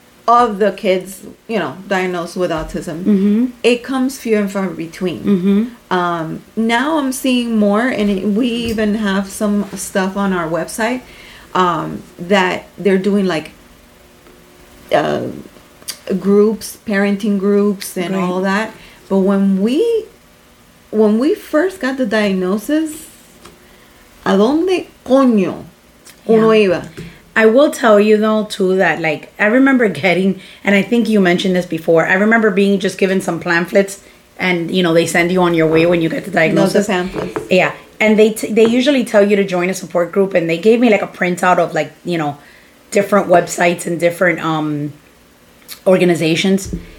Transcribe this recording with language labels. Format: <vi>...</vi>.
<en>of the kids, you know, diagnosed with autism, it comes few and far between. Now I'm seeing more, and we even have some stuff on our website that they're doing, like, groups, parenting groups, and all that. But when we first got the diagnosis,</en> <es>¿a dónde coño uno iba?</es> <en>I will tell you, though, too, that, like, I remember getting, and I think you mentioned this before, I remember being just given some pamphlets, and, you know, they send you on your way when you get the diagnosis. Not the pamphlets. Yeah. And they usually tell you to join a support group, and they gave me, like, a printout of, like, you know, different websites and different organizations.</en>